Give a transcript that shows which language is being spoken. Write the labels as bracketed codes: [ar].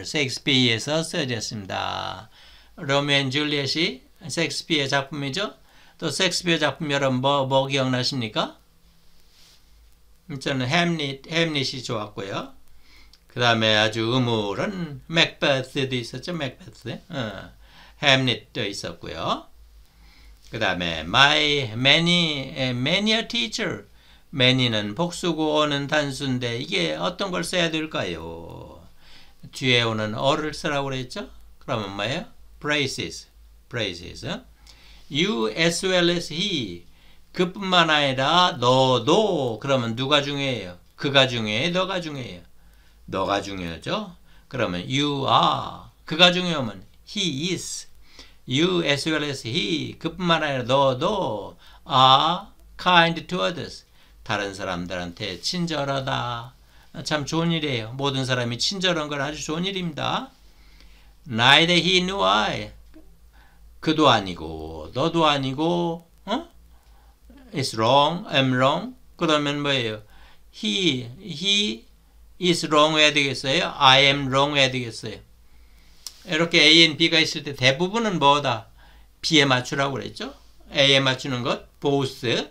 [ko] Shakespeare에서 쓰여졌습니다. 로미오 앤 줄리엣이 셰익스피어 작품이죠. 또 셰익스피어 작품 여러분 뭐 기억나십니까? 저는 햄릿이 좋았고요. 그 다음에 아주 음울한 맥베스도 있었죠. 맥베스. 햄릿도 있었고요. 그 다음에 [en] many a teacher. [ko] many는 복수고 오는 단수인데 이게 어떤 걸 써야 될까요? 뒤에 오는 or을 쓰라고 그랬죠? 그러면 뭐예요? [en] Praises. You as well as he. [ko] 그뿐만 아니라 너도. 그러면 누가 중요해요? 그가 중요해요? 너가 중요해요? 너가 중요하죠? 그러면 [en] you are. [ko] 그가 중요하면 [en] he is. You as well as he. [ko] 그뿐만 아니라 너도 [en] are kind to others. [ko] 다른 사람들한테 친절하다. 참 좋은 일이에요. 모든 사람이 친절한 건 아주 좋은 일입니다. [en] Neither he nor I. [ko] 그도 아니고 너도 아니고 어? [en] It's wrong. I'm wrong. [ko] 그러면 뭐예요? [en] He is wrong [ko] 해야 되겠어요? [en] I am wrong [ko] 해야 되겠어요? 이렇게 A and B가 있을 때 대부분은 뭐다? B에 맞추라고 그랬죠? A에 맞추는 것 both.